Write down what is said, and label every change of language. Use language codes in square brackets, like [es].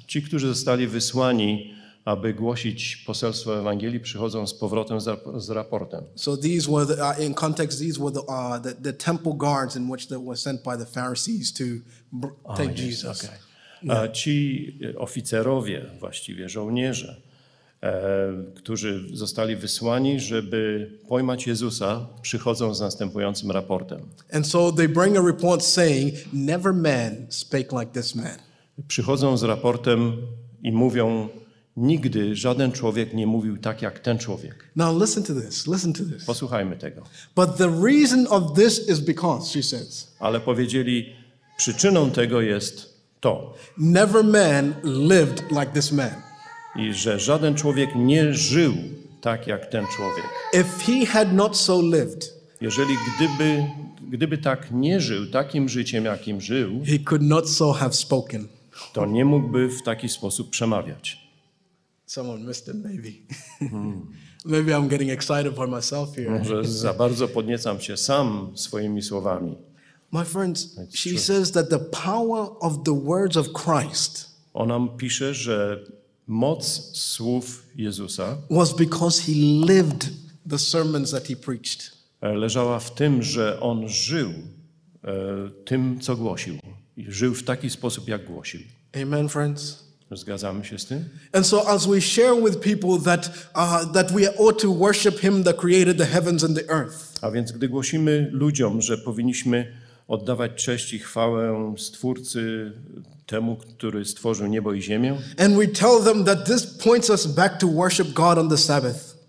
[pl] Ci, którzy zostali wysłani, aby głosić poselstwo Ewangelii, przychodzą z powrotem z raportem. [en] So these were the, in context, these were the temple guards in which they were sent by the Pharisees to take Jesus. Okay. Yeah. [pl] Ci oficerowie, właściwie żołnierze, którzy zostali wysłani, żeby pojmać Jezusa, przychodzą z następującym raportem. [en] And so they bring a report saying, never man spake like this man. [pl] Przychodzą z raportem i mówią, nigdy żaden człowiek nie mówił tak jak ten człowiek. [en] Now listen to this, listen to this. [pl] Posłuchajmy tego. [en] But the reason of this is because, she says. [pl] Ale powiedzieli, przyczyną tego jest to. [en] Never man lived like this man. [pl] I że żaden człowiek nie żył tak jak ten człowiek. [en] If he had not so lived, [pl] jeżeli gdyby tak nie żył, takim życiem jakim żył, [en] he could not so have spoken. [pl] To nie mógłby w taki sposób przemawiać. [en] Someone missed it, maybe. Maybe I'm getting excited for myself here. [pl] Może za bardzo podniecam się sam swoimi słowami. [en] My friends, she says that the power of the words of Christ. [pl] Ona pisze, że moc słów Jezusa [en] was because he lived the sermons that he preached. [pl] Leżała w tym, że on żył tym, co głosił. I żył w taki sposób, jak głosił. [en] Amen, friends. [pl] Zgadzamy się z tym? [en] And so as we share with people that that we ought to worship him that created the heavens and the earth. [pl] A więc gdy głosimy ludziom, że powinniśmy oddawać cześć i chwałę Stwórcy, temu, który stworzył niebo i ziemię. [en] And we tell them that this points us back to worship God on the Sabbath.